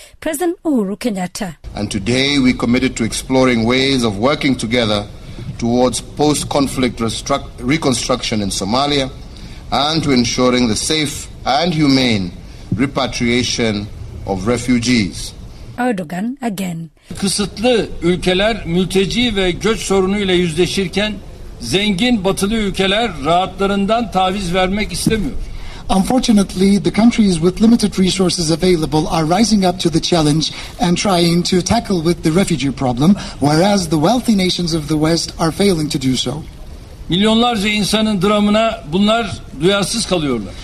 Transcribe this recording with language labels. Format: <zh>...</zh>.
<en>President Uhuru Kenyatta. And today we committed to exploring ways of working together towards post-conflict reconstruction in Somalia and to ensuring the safe and humane repatriation of refugees. Erdogan again.</en> <tr>Kısıtlı ülkeler mülteci ve göç sorunuyla yüzleşirken zengin batılı ülkeler rahatlarından taviz vermek istemiyor.</tr> <en>Unfortunately, the countries with limited resources available are rising up to the challenge and trying to tackle with the refugee problem, whereas the wealthy nations of the West are failing to do so.</en> <tr>Milyonlarca insanın dramına bunlar duyarsız kalıyorlar.</tr>